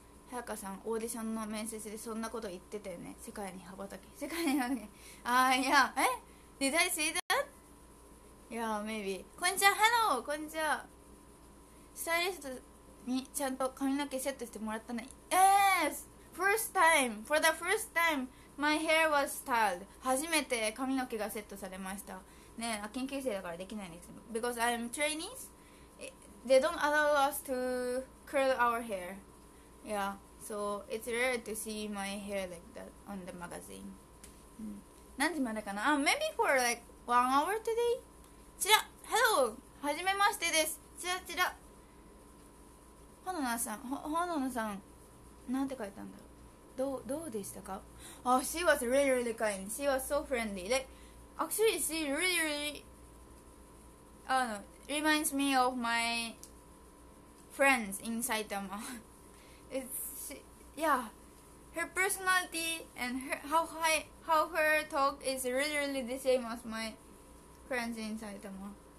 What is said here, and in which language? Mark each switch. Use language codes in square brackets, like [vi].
[ja] 早川さん、オーディションの面接でそんなこと言ってたよね。世界に羽ばたけ、世界に羽ばたけ。あ、いや、え、 [en] Did I see that? Yeah, maybe。 [ja] こんにちは、ハロー。こんにちは。スタイリストにちゃんと髪の毛セットしてもらったね。 [en] Yes! First time! For the first time, my hair was styled. [ja] 初めて髪の毛がセットされました。ね、研究生だからできないんです。 [en] Because I'm trainees, they don't allow us to curl our hair. Yeah, so it's rare to see my hair like that on the magazine. [ja] 何時までかな、 [en] maybe for like one hour today? チラッ！Hello! [ja] はじめましてです。チラチラ、ほのなさん、なんて書いたんだろう。どうでしたか。 [en] あ、oh, she was really really kind. She was so friendly. Like, actually, she really really, reminds me of my friends in Saitama. It's, she, yeah, her personality and her talk is really really the same as my friends in Saitama.